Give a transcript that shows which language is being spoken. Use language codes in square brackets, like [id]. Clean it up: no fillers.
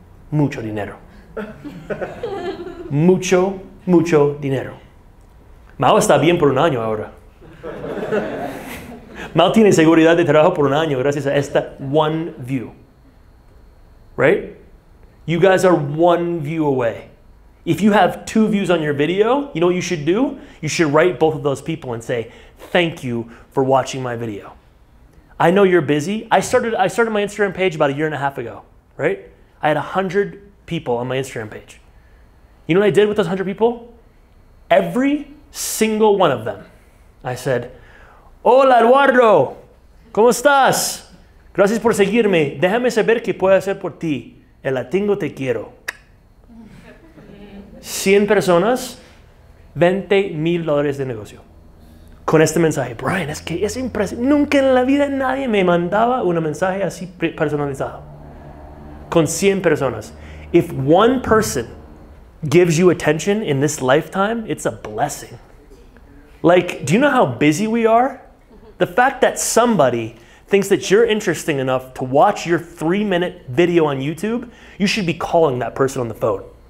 [es] Mucho dinero. Mucho, mucho dinero. Mao está bien por un año ahora. Mao tiene seguridad de trabajo por un año gracias a esta [en] one view. Right? You guys are one view away. If you have two views on your video, you know what you should do? You should write both of those people and say, thank you for watching my video. I know you're busy. I started my Instagram page about a year and a half ago, right? I had 100 people on my Instagram page. You know what I did with those 100 people? Every single one of them, I said, [es] hola Eduardo, ¿cómo estás? Gracias por seguirme. Déjame saber qué puedo hacer por ti. El latino te quiero. 100 personas, $20,000 de negocio. Con este mensaje. Brian, es que es impresionante. Nunca en la vida nadie me mandaba un mensaje así personalizado. Con 100 personas. [en] If one person gives you attention in this lifetime, it's a blessing. Like, do you know how busy we are? The fact that somebody thinks that you're interesting enough to watch your 3-minute video on YouTube, you should be calling that person on the phone.